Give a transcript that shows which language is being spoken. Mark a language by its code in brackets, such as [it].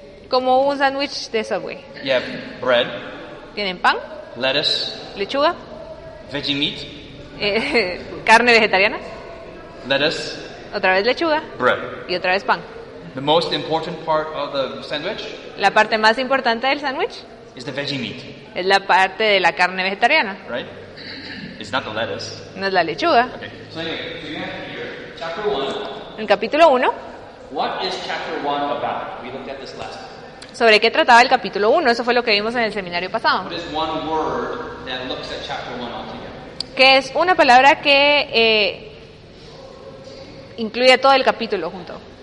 [es] Como un sándwich de Subway. [en] Yeah, bread. [es] Tienen pan. [en] Lettuce. [es] Lechuga. [en] Veggie meat. [es] Carne vegetariana. [en] Lettuce. [es] Otra vez lechuga. [en] Bread. [es] Y otra vez pan. [en] The most important part of the sandwich. [es] La parte más importante del sándwich. [en] Is the veggie meat. [es] Es la parte de la carne vegetariana. [en] Right. It's not the lettuce. [es] No es la lechuga. [en] Okay. So anyway, we have here chapter 1. [es] En capítulo 1. [en] What is chapter 1 about? We looked at this last time. [es] ¿Sobre qué trataba el capítulo 1? Eso fue lo que vimos en el seminario pasado. [en] What is one word that looks at chapter 1 altogether? [es] Que es una palabra que incluye todo el capítulo junto.